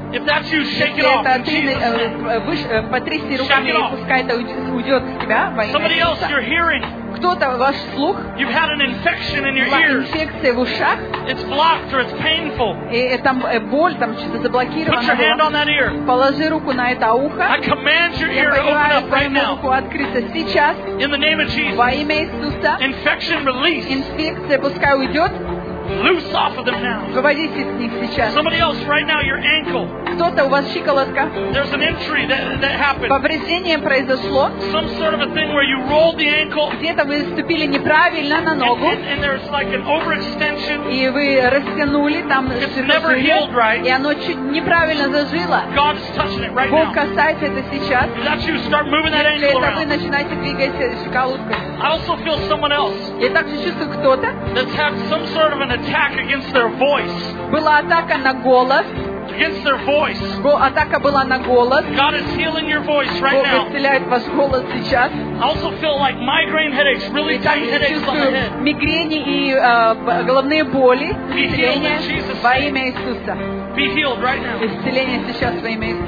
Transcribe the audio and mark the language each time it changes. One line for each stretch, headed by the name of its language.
English: If that's you, shake it off.
Russian: Потрясти руками, пускай это уйдет с тебя.
English: Somebody else, your hearing.
Russian: Кто-то ваш слух.
English: You've had an infection in your ears.
Russian: Инфекция в ушах.
English: It's blocked or it's painful.
Russian: И там боль, там что-то заблокировано.
English: Put your hand on that ear.
Russian: Положи руку на это ухо.
English: I command your ear to open up right now.
Russian: Руку открыться сейчас.
English: In the name of Jesus.
Russian: Во имя Иисуса.
English: Infection release.
Russian: Инфекция пускай уйдет.
English: Loose off of them now.
Russian: Выводите с них сейчас.
English: Somebody else, right now, your ankle.
Russian: Кто-то у вас щиколотка.
English: There's an injury that happened.
Russian: Повреждение произошло.
English: Some sort of a thing where you rolled the ankle.
Russian: Где-то вы ступили неправильно на ногу.
English: And there's like an overextension.
Russian: И вы растянули там.
English: It's never healed right.
Russian: И оно чуть неправильно зажило.
English: God's touching it right now.
Russian: Бог касается это сейчас.
English: That you start moving that ankle around.
Russian: Если это вы начинаете двигать щиколоткой.
English: I also feel someone else.
Russian: Я также чувствую кто-то.
English: That's had some sort of an attack against their voice.
Russian: Была атака на голос.
English: Against their voice.
Russian: Атака была на голос.
English: God is healing your voice right now.
Russian: Бог исцеляет ваш голос сейчас.
English: I also feel like migraine headaches, really tiny headaches on the head.
Russian: Мигрени и головные боли.
English: Be healed in Jesus' name.
Russian: Во имя Иисуса.
English: Be healed right now.
Russian: Исцеление сейчас во имя Иисуса.